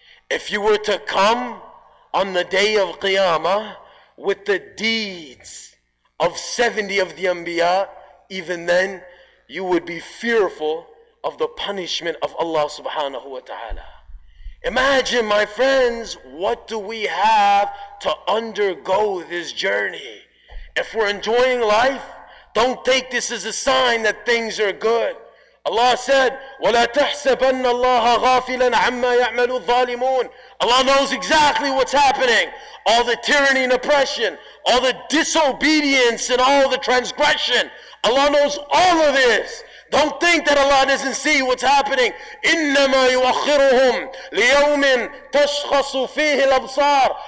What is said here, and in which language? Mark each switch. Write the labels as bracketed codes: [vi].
[en] If you were to come on the day of Qiyamah with the deeds of 70 of the Anbiya, even then you would be fearful of the punishment of Allah subhanahu wa ta'ala. Imagine, my friends, what do we have to undergo this journey? If we're enjoying life, don't take this as a sign that things are good. Allah said, [ar] وَلَا تَحْسَبَنَّ اللَّهَ غَافِلًا عَمَّا يَعْمَلُ الظَّالِمُونَ. [en] Allah knows exactly what's happening. All the tyranny and oppression, all the disobedience and all the transgression. Allah knows all of this. Don't think that Allah doesn't see what's happening. [ar] إِنَّمَا يُؤَخِّرُهُمْ لِيَوْمٍ تَشْخَصُ فِيهِ الْأَبْصَارِ.